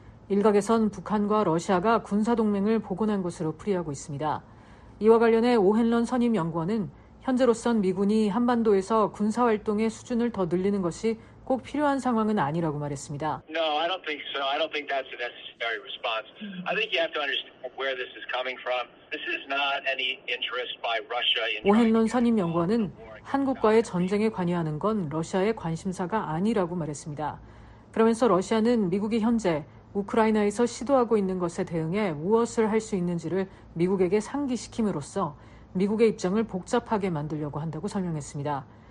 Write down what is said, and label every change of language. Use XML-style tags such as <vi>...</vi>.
<ko>일각에선 북한과 러시아가 군사동맹을 복원한 것으로 풀이하고 있습니다. 이와 관련해 오헨런 선임연구원은 현재로선 미군이 한반도에서 군사활동의 수준을 더 늘리는 것이 꼭 필요한 상황은 아니라고 말했습니다.</ko> <en>No, I don't think so. I don't think that's a necessary response. I think you have to understand where this is coming from. This is not any interest by Russia in.</en> <ko>오헨런 선임 연구원은 한국과의 전쟁에 관여하는 건 러시아의 관심사가 아니라고 말했습니다. 그러면서 러시아는 미국이 현재 우크라이나에서 시도하고 있는 것에 대응해 무엇을 할 수 있는지를 미국에게 상기시킴으로써 미국의 입장을 복잡하게 만들려고 한다고 설명했습니다.</ko>